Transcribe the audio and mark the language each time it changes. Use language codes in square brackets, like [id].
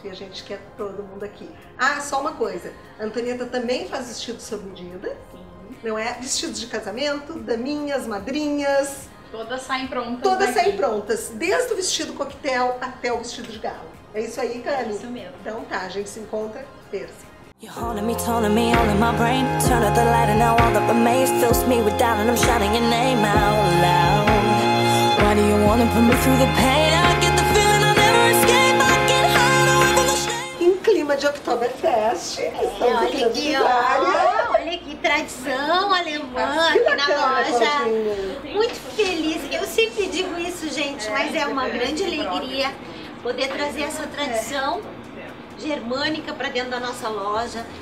[pt] E a gente quer todo mundo aqui. Ah, só uma coisa. A Antonieta também faz vestido sob medida. Sim. Não é? Vestidos de casamento, daminhas, madrinhas. Todas saem prontas. Todas saem prontas. Desde o vestido coquetel até o vestido de gala. É isso aí, Cami. É isso mesmo. Então tá, a gente se encontra terça. [en] You're haunting me, taunting me, all in my brain. Turn up the light and now all up a maze. Fills me with doubt and I'm shouting your name out loud. Why do you wanna put me through the pain? I get the feeling I'll never escape. I get high and away from the shame. [pt] Em clima de Oktoberfest, estamos aqui de olha que tradição alemã aqui na loja. Muito feliz. Eu sempre digo isso, gente, mas é uma grande alegria poder trazer essa tradição germânica para dentro da nossa loja.